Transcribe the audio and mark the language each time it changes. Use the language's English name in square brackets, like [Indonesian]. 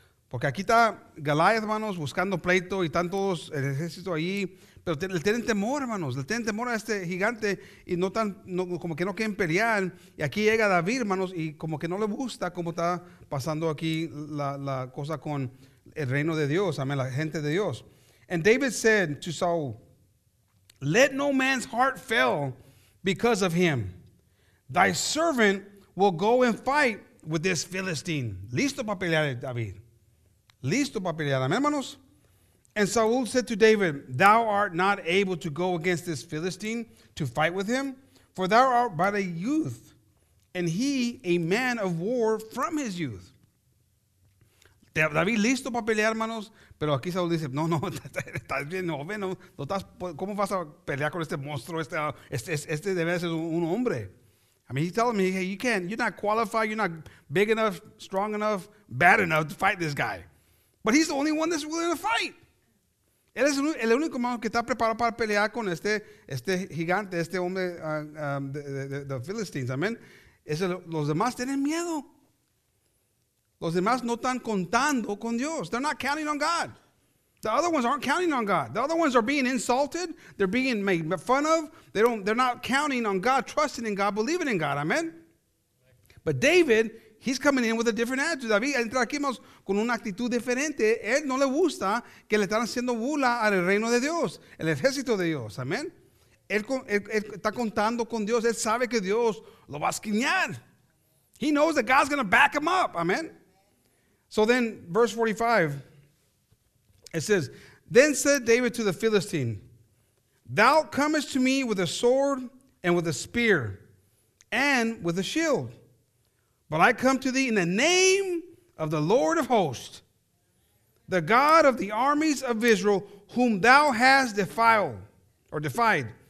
[Spanish] Porque aquí está Goliat, hermanos, buscando pleito y están todos el ejército allí. Pero le tienen temor, hermanos. Le tienen temor a este gigante y no tan, como que no quieren pelear. Y aquí llega David, hermanos, y como que no le gusta cómo está pasando aquí la cosa con el reino de Dios, amen, la gente de Dios. [English] And David said to Saul, let no man's heart fail because of him. Thy servant will go and fight with this Philistine. [Spanish] Listo para pelear, David. Listo para pelear, amen, hermanos. [English] And Saul said to David, thou art not able to go against this Philistine to fight with him, for thou art but a youth, and he a man of war from his youth. [Spanish] David listo para pelear, hermanos, pero aquí Saúl dice, no, estás bien joven, no, ¿cómo vas a pelear con este monstruo? Este debe ser un hombre. [English] I mean, he's telling me, hey, you can't, you're not qualified, you're not big enough, strong enough, bad enough to fight this guy. But he's the only one that's willing to fight. [Spanish] Él es el único hermano que está preparado para pelear con este gigante, este hombre de Philistines, amen. Los demás tienen miedo. Los demás no están contando con Dios. [English] They're not counting on God. The other ones aren't counting on God. The other ones are being insulted. They're being made fun of. They're not counting on God, trusting in God, believing in God. Amen. But David, he's coming in with a different attitude. [Spanish] David entra aquí con una actitud diferente. Él no le gusta que le están haciendo burla al reino de Dios, el ejército de Dios. Amen. Él está contando con Dios. Él sabe que Dios lo va a esquinar. [English] He knows that God's going to back him up. Amen. So then, verse 45, it says, then said David to the Philistine, thou comest to me with a sword and with a spear and with a shield, but I come to thee in the name of the Lord of hosts, the God of the armies of Israel, whom thou hast defied.